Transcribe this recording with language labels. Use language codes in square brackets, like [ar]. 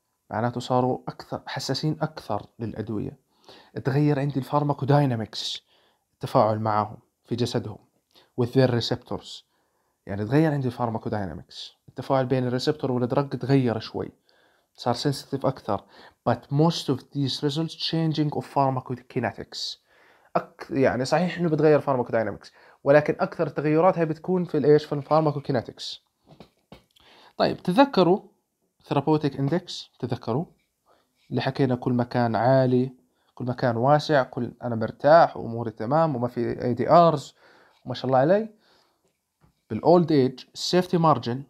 [ar] معناته صاروا أكثر حساسين أكثر للأدوية. تغير عندي الفارماكودينامكس التفاعل معهم في جسدهم [en] with their receptors. [ar] يعني تغير عندي الفارماكودينامكس التفاعل بين الريسبتور والدرج تغير شوي. صار sensitive أكثر. [en] But most of these results changing of pharmacokinetics. [ar] يعني صحيح إنه بتغير pharmacodynamics ولكن أكثر التغيرات هي بتكون في الإيش في الفارماكوكينيتكس. طيب تذكروا therapeutic index تذكروا اللي حكينا كل مكان عالي كل مكان واسع كل أنا مرتاح واموري تمام وما في ADRs وما شاء الله علي بالold age safety margin.